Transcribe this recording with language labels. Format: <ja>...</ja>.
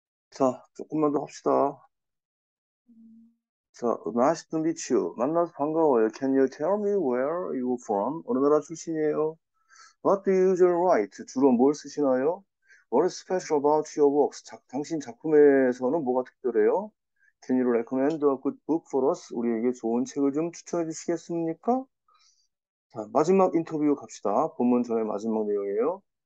<ko>자, 조금만 더 합시다. 자,</ko> <en>nice to meet you.</en> <ko>만나서 반가워요.</ko> <en>Can you tell me where you from?</en> <ko>어느 나라 출신이에요?</ko> <en>What do you usually write?</en> <ko>주로 뭘 쓰시나요?</ko> <en>What is special about your works?</en> <ko>당신 작품에서는 뭐가 특별해요?</ko> <en>Can you recommend a good book for us?</en> <ko>우리에게 좋은 책을 좀 추천해 주시겠습니까? 자, 마지막 인터뷰 갑시다. 본문 전에 마지막 내용이에요.</ko>